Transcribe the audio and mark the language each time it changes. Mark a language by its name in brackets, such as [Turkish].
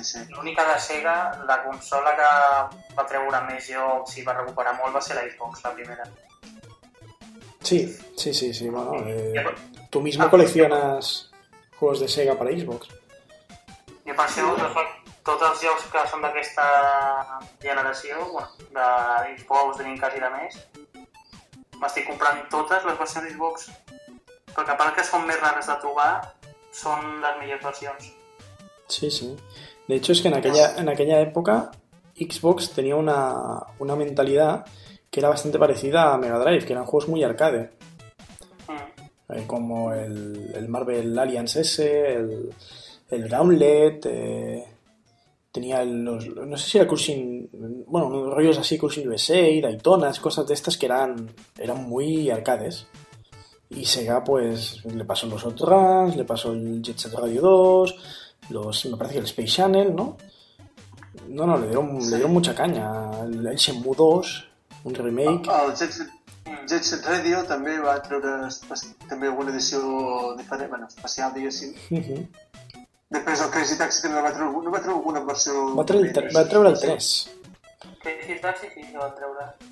[Catalan] L'única de Sega, la consola que va treure més jocs i va recuperar molt va ser la Xbox, la primera. Sí. [Spanish] Bueno, tu mismo coleccionas juegos de Sega [Catalan] per a Xbox. Jo per això, tots els jocs que són d'aquesta generació, de Xbox, Dreamcast i de més, m'estic comprant totes les versions d'Xbox. Perquè a part que són més rares de trobar, són les millors versions. Sí. [Spanish] De hecho, es que en aquella época Xbox tenía una mentalidad que era bastante parecida a Mega Drive, que eran juegos muy arcade. Como el Marvel Alliance S, el Gauntlet, tenía los, no sé si era Cruising, bueno, unos rollos así, Cruising USA, Daytona, cosas de estas que eran muy arcades. Y Sega, pues, le pasó los otros, le pasó el Jet Set Radio 2... me parece que el Space Channel, ¿no? No, le dieron mucha caña. El Shenmue 2, un remake. [Catalan] El Jet Set Radio també va treure també alguna edició diferent, bueno, especial, diguéssim. Després el Crazy Taxi també va treure, no va treure alguna versió... Va treure el 3. Crazy Taxi sí que va treure.